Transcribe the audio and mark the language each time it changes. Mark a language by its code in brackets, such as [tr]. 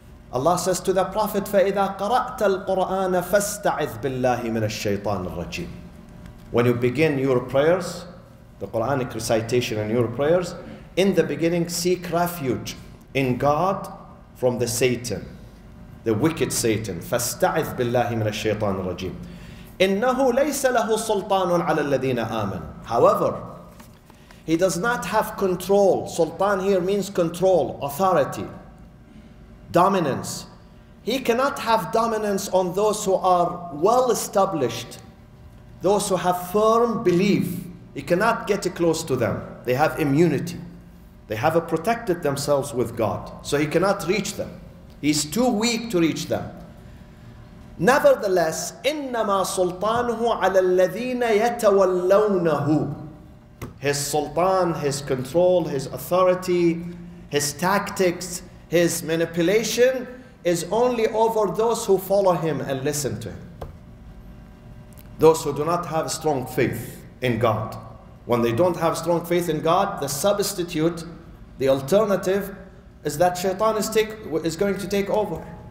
[en] Allah says to the Prophet, [ar] فَإِذَا قَرَأْتَ الْقُرْآنَ فَاسْتَعِذْ بِاللَّهِ مِنَ الشَّيْطَانِ الرَّجِيمِ. [en] When you begin your prayers, the Quranic recitation and your prayers, in the beginning, seek refuge in God from the Satan, the wicked Satan. [ar] فَاسْتَعِذْ بِاللَّهِ مِنَ الشَّيْطَانِ الرَّجِيمِ. إِنَّهُ لَيْسَ لَهُ سُلْطَانٌ عَلَى الَّذِينَ آمَنُوا. [en] However, he does not have control. Sultan here means control, authority, dominance. He cannot have dominance on those who are well-established, those who have firm belief. He cannot get close to them. They have immunity. They have protected themselves with God. So he cannot reach them. He's too weak to reach them. [ar] Nevertheless, إِنَّمَا سُلْطَانُهُ عَلَى الَّذِينَ يَتَوَلَّوْنَهُ. [en] His sultan, his control, his authority, his tactics, his manipulation is only over those who follow him and listen to him. Those who do not have strong faith in God. When they don't have strong faith in God, the substitute, the alternative, is that shaitan is going to take over.